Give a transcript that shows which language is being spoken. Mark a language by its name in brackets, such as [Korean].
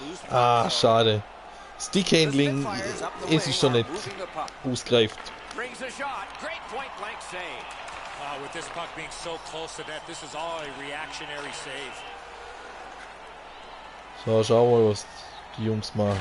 [German] Ah, schade. Stickhandling, es ist schon nicht ausgreift. [English] brings a shot. Great point blank save. With this puck being so close to that, this is all a reactionary save. [German] So, schauen wir mal, was die Jungs machen.